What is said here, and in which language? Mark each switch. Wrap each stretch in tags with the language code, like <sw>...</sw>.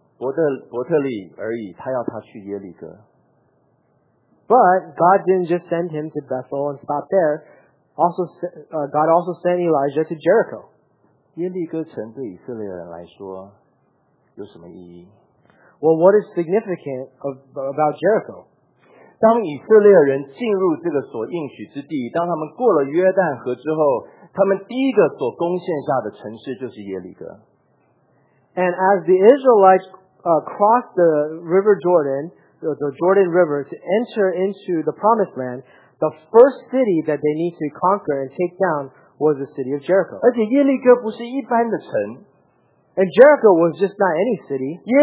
<zh>可是神不是让以利亚到伯特利而已，他要他去耶利哥。</zh> <en>But God didn't just send him to Bethel and stop there. God also sent Elijah to Jericho.</en> <zh>耶利哥城对以色列人来说有什么意义?</zh> <en>Well, what is significant about Jericho?</en> <zh>当以色列人进入这个所应许之地，当他们过了约旦河之后，他们第一个所攻陷下的城市就是耶利哥。</zh> <en>And as the Israelites crossed the River Jordan, the Jordan River, to enter into the promised land, the first city that they need to conquer and take down was the city of Jericho.</en> <zh>而且耶利哥不是一般的城,</zh> <en>and Jericho was just not any city.</en>